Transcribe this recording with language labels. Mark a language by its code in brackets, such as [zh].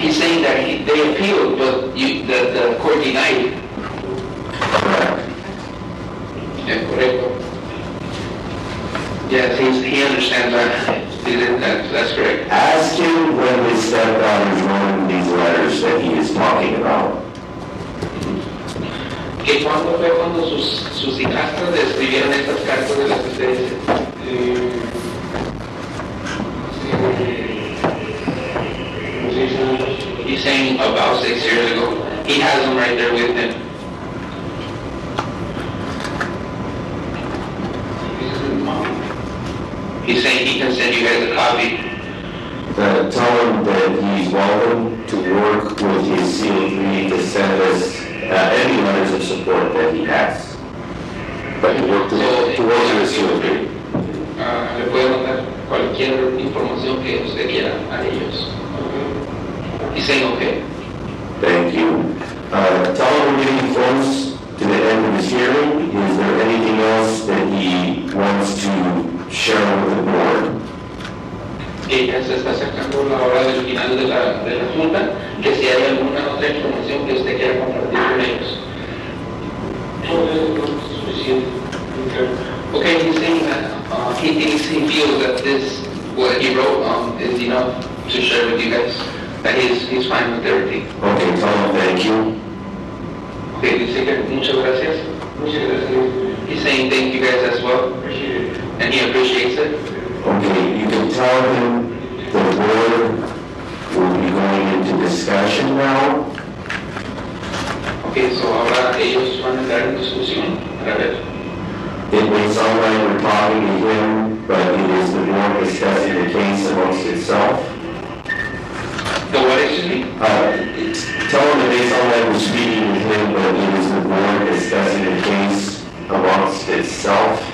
[en] He's saying that they appealed, but the court denied it. Correct. Yes, he understands that. That's correct. Ask him when his stepdaughter is writing these letters that he is talking about. [es] ¿Qué cuándo fue cuando sus hijastras escribieron estas cartas de las ustedes? [en] He's saying about 6 years ago. He has them right there with him. He's saying he can send you guys a copy. Tell him that he's welcome to work with his CO3 to send us any letters of support that he has. But he worked to work with his CO3. [es] Le puedo mandar cualquier información que usted quiera a ellos. [en] He's saying okay. Thank you. Tell him we're getting close to the end of his hearing. Is there anything else that he wants to share with the board? [es] Ya se está acercando la hora del final de la junta, que si hay alguna otra información que usted quiera compartir con ellos. Todo eso es suficiente. [en] Okay, he's saying that he feels that this, what he wrote, is enough to share with you guys, that he's fine with everything. Okay, fine, thank you. Okay, you say that, [es] muchas gracias. Muchas gracias. [en] He's saying thank you guys as well. Appreciate it. And he appreciates it. Okay, you can tell him the board will be going into discussion now. [es] Okay, so ahora ellos van a entrar en discusión. [en] It may sound like we're talking to him, but it is the board discussing the case amongst itself. The what, excuse me? Tell him it may sound like we're speaking with him, but it is the board discussing the case amongst itself.